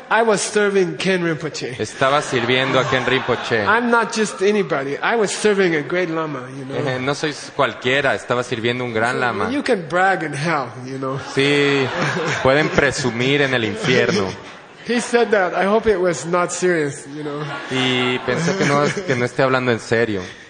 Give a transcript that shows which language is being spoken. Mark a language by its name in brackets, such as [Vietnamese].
[English] I was serving Ken Rinpoche. [Spanish] Estaba sirviendo a Ken Rinpoche. [English] I'm not just anybody. I was serving a great lama, you know. [Spanish] No soy cualquiera, estaba sirviendo un gran lama. [English] You can brag in hell, you know. [Spanish] Sí, pueden presumir en el infierno. [English] He said that. I hope it was not serious, you know. [Spanish] Y pensé que no esté hablando en serio.